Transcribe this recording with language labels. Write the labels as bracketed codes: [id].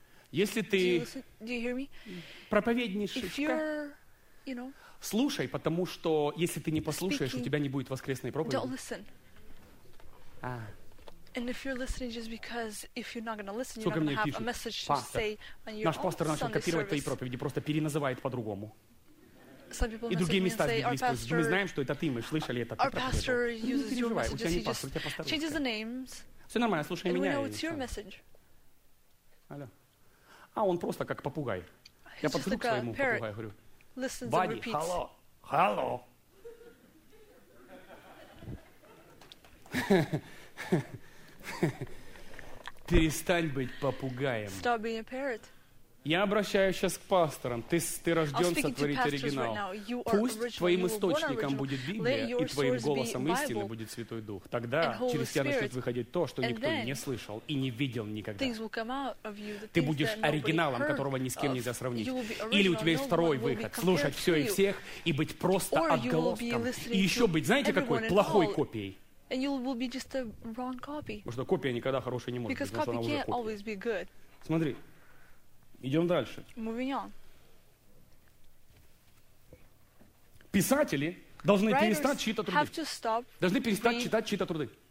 [ru] Если ты проповедничаешь, слушай, потому что если ты не послушаешь, у тебя не будет воскресной проповеди. [en] And if you're listening just because if you're not going to listen, you're not going to have a message to say on your [ru] Наш пастор начал копировать твои проповеди, просто переназывает по-другому. И другие места здесь используются. Мы знаем, что это ты, мы слышали это. [en] Our pastor uses your message. [ru] Не переживай, у тебя не пастор, у тебя пастор. [en] Changes the names. [ru] Все нормально, слушай меня. [en] And we know it's your message. [ru] Алло. А он просто как попугай. Я подхожу к своему попугаю, говорю. [en] Бадди, hello, hello. [ru] Перестань быть попугаем. [en] Stop being a parrot. [ru] Я обращаюсь сейчас к пасторам. Ты рожден сотворить оригинал. Пусть твоим источником будет Библия, и твоим голосом истины будет Святой Дух. Тогда через тебя начнет выходить то, что никто не слышал и не видел никогда. Ты будешь оригиналом, которого ни с кем нельзя сравнить. Или у тебя есть второй выход. Слушать все и всех и быть просто отголоском. И еще быть, знаете какой? Плохой копией. [en] And you will be just a wrong copy. [ru] Потому что копия никогда хорошей не может [en] Because [ru] быть, потому что она уже копия. [en] Always be good. [ru] Смотри, идем дальше. [en] Moving on. [ru] Писатели должны [en] Writers [ru] перестать читать труды. [en] Have to stop [ru] должны перестать читать чьи-то труды.